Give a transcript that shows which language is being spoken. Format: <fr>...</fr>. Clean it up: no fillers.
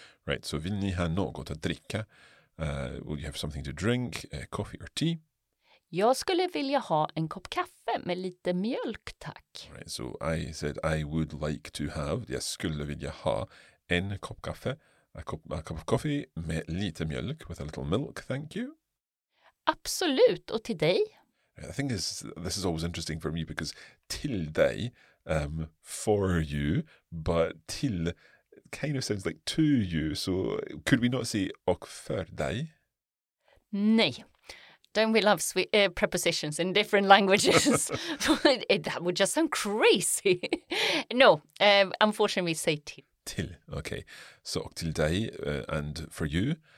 <en>Right, so</en> <sv>vill ni ha något att dricka?</sv> <en>Will you have something to drink, coffee or tea?</en> <sv>Jag skulle vilja ha en kopp kaffe med lite mjölk, tack.</sv> <en>Right, so I said I would like to have,</en> <sv>jag skulle vilja ha en kopp kaffe.</sv> <en>A cup of coffee</en> <sv>med lite mjölk,</sv> <en>with a little milk, thank you.</en> <sv>Absolut, och till dig?</sv> <en>I think this is always interesting for me because</en> <sv>till dig,</sv> <en>for you, but till kind of sounds like to you. So could we not say</en> <sv>och för dig?</sv> <en>Nej. Don't we love prepositions in different languages? That would just sound crazy. No, unfortunately we say till. Till, okay. So,</en> <sv>och till dig,</sv> <en>and for you.</en>